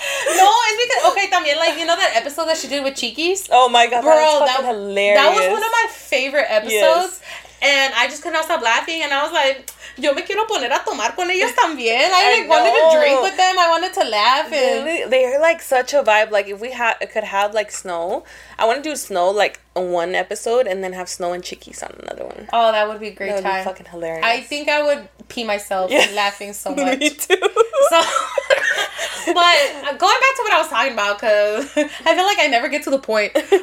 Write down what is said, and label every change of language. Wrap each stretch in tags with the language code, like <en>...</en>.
<en>No, it's because, okay, también, like, you know that episode that she did with Cheekies? Oh, my God. Bro, that was hilarious. That was one of my favorite episodes. Yes. And I just could not stop laughing, and I was like,</en> <es>Yo me quiero poner a tomar con ellos también.</es> <en>I wanted to drink with them. I wanted to laugh. They're like such a vibe. Like if we could have like Snow, I want to do Snow like on one episode and then have Snow and Chickies on another one. Oh, that would be a great time. That would be fucking hilarious. I think I would pee myself laughing so much. Me too. So, but going back to what I was talking about, because I feel like I never get to the point.</en>